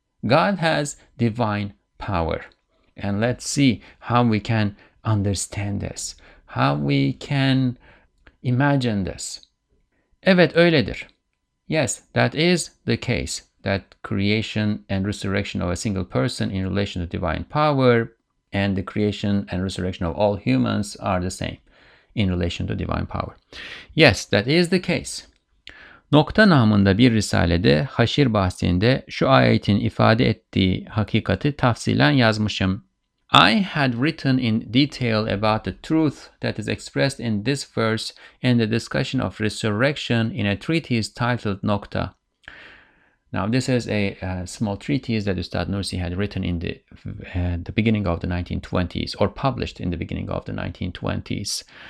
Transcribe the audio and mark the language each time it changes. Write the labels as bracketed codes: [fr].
[en] God has divine power. And let's see how we can understand this, how we can imagine this. [tr] Evet öyledir. [en] Yes, that is the case, that creation and resurrection of a single person in relation to divine power, and the creation and resurrection of all humans are the same in relation to divine power. Yes, that is the case. [tr] Nokta namında bir risalede Haşir bahsinde şu ayetin ifade ettiği hakikati tafsilen yazmışım. [en] I had written in detail about the truth that is expressed in this verse in the discussion of resurrection in a treatise titled Nokta. Now, this is a small treatise that Ustad Nursi had written in the beginning of the 1920s, or published in the beginning of the 1920s.